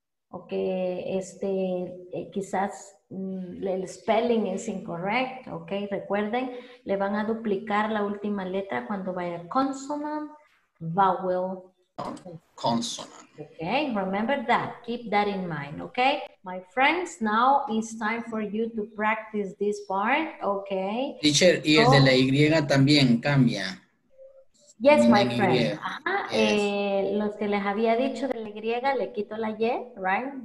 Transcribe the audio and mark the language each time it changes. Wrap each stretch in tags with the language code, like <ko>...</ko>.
<es>O que este, quizás el spelling es incorrecto. Ok, recuerden, le van a duplicar la última letra cuando vaya</es> <en>consonant, vowel. Consonant. Ok, remember that. Keep that in mind. Ok, my friends, now it's time for you to practice this part. Ok.</en> <es>Teacher, y el de la Y también cambia.</es> <en>Yes, my friend. Ajá. Yes.</en> <es>Los que les había dicho de la griega, le quito la Y, right?</es>